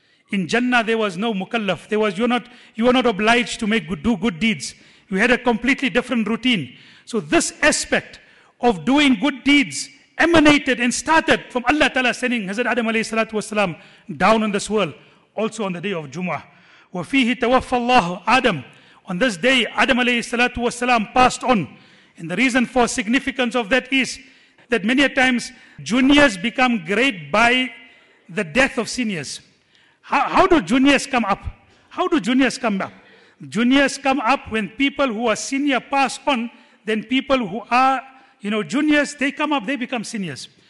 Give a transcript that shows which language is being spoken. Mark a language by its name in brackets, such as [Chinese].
[English] In Jannah there was no mukallaf. You were not obliged to do good deeds. You had a completely different routine. So this aspect of doing good deeds emanated and started from Allah Ta'ala sending Hazrat Adam alayhi salatu wasalam down on this world, also on the day of Jumu'ah. [Arabic] وَفِيهِ تَوَفَّ اللَّهُ Adam. [English] On this day, Adam alayhi salatu wasalam passed on. And the reason for significance of that is that many a times juniors become great by the death of seniors. How do juniors come up? How do juniors come up? Juniors come up when people who are senior pass on, then people who are, you know, juniors, they come up, they become seniors.